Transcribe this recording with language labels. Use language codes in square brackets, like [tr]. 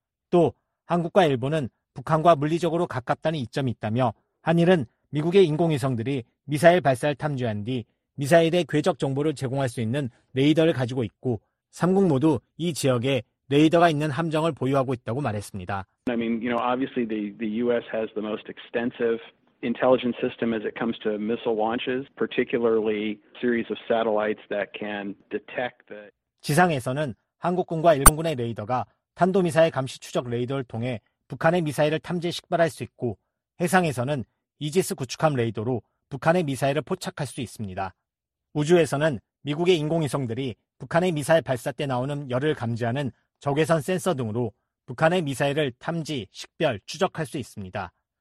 [ko] 또 한국과 일본은 북한과 물리적으로 가깝다는 이점이 있다며 한일은 미국의 인공위성들이 미사일 발사를 탐지한 뒤 미사일의 궤적 정보를 제공할 수 있는 레이더를 가지고 있고 3국 모두 이 지역에 레이더가 있는 함정을 보유하고 있다고 말했습니다. [en] I mean, you know, obviously the US has the most extensive intelligence system as it comes to missile launches, particularly series of satellites that can detect the [ko] 지상에서는 한국군과 일본군의 레이더가 탄도미사일 감시 추적 레이더를 통해 북한의 미사일을 탐지 식발할 수 있고 해상에서는 이지스 구축함 레이더로 북한의 미사일을 포착할 수 있습니다. 우주에서는 미국의 인공위성들이 북한의 미사일 발사 때 나오는 열을 감지하는 적외선 센서 등으로 북한의 미사일을 탐지, 식별, 추적할 수 있습니다.